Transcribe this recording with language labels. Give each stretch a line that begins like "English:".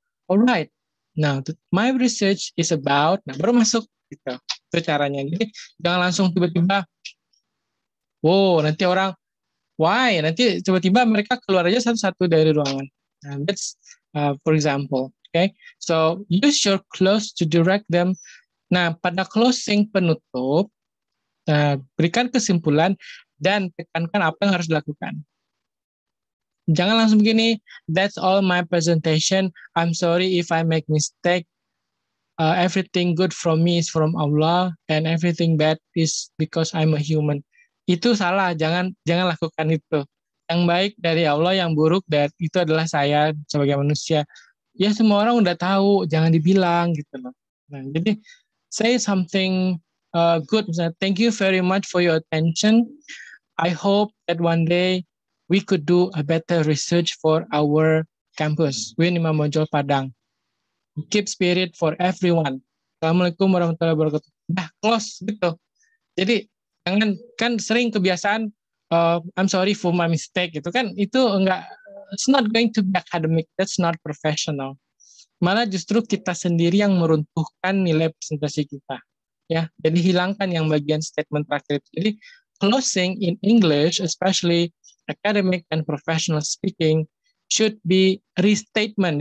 English: All right, now my research is about, nah,
Indonesian: baru masuk, gitu. Itu caranya. Jadi jangan langsung tiba-tiba, wow, nanti orang, why? Nanti tiba-tiba mereka keluar aja satu-satu dari ruangan. Nah,
English: that's for example. Okay, so use your close to direct them.
Indonesian: Nah, pada closing penutup, berikan kesimpulan dan tekankan apa yang harus dilakukan. Jangan langsung begini,
English: that's all my presentation. I'm sorry if I make mistake. Everything good from me is from Allah and everything bad is because I'm a human.
Indonesian: Itu salah, jangan lakukan itu. Yang baik dari Allah, yang buruk dari itu adalah saya sebagai manusia. Ya semua orang udah tahu, jangan dibilang gitu loh. Nah, jadi
English: say something good. Misalnya, thank you very much for your attention. I hope that one day we could do a better research for our campus, UIN Imam Bonjol Padang. Keep spirit for everyone. Assalamualaikum warahmatullahi wabarakatuh.
Indonesian: Nah, close gitu. Jadi jangan, kan sering kebiasaan
English: I'm sorry for my mistake
Indonesian: gitu kan, itu enggak,
English: it's not going to be academic, that's not professional.
Indonesian: Malah justru kita sendiri yang meruntuhkan nilai presentasi kita. Ya, jadi hilangkan yang bagian statement terakhir.
English: Jadi closing in English, especially academic and professional speaking, should be restatement.